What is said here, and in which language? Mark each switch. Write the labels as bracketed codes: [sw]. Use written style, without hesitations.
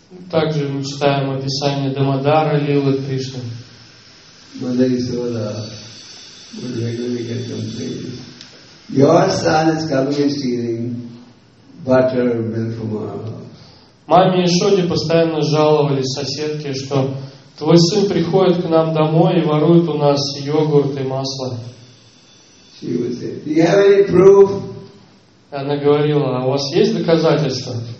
[ru] Также мы читаем описание Дамодара Лилы Кришны. [en] Mother Isola would regularly get complaints. Your son is coming and stealing butter and milk from our house. [ru] Маме и Шоди постоянно жаловались соседке, что твой сын приходит к нам домой и ворует у нас йогурт и масло. [en] She would say, "Do you have any proof?" [ru] Она говорила, "А у вас есть доказательства?"